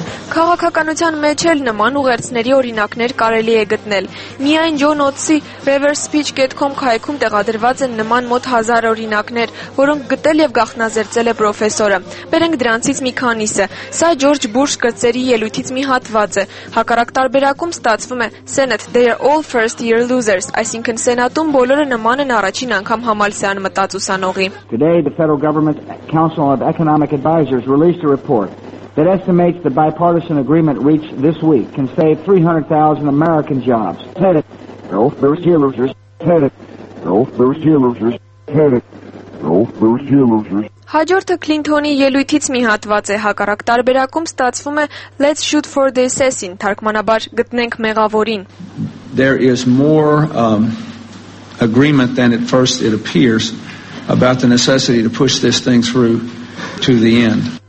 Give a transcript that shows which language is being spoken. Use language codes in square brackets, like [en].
[hy] Քաղաքականության մեջ էլ նման ուղերձների օրինակներ կարելի է գտնել։ Միայն Ջոն Օթսի reversespeech.com քայքում տեղադրված են նման մոտ 1000 օրինակներ, որոնք գտել եւ գաղտնազերծել է պրոֆեսորը։ Բերենք դրանցից մի քանիսը։ Սա Ջորջ Բուշ կրտսերի ելույթից մի հատված է։ Հակառակ տարբերակում ստացվում է [en] Senate, they are all first year losers, [hy] այսինքն սենատում բոլորը նման են առաջին անգամ համալսյան մտած ուսանողի։ [en] Today the Federal Government Council of Economic Advisors released a report that estimates the bipartisan agreement reached this week can save 300,000 American jobs. Headed. No, there's here losers. Headed. No, there's here losers. Headed. [hy] Հաջորդը Քլինթոնի ելույթից մի հատված է, հակառակ տարբերակում ստացվում է [en] Let's shoot for the assassin, [hy] թարգմանաբար գտնենք մեղավորին. [en] There is more agreement than at first it appears about the necessity to push this thing through to the end.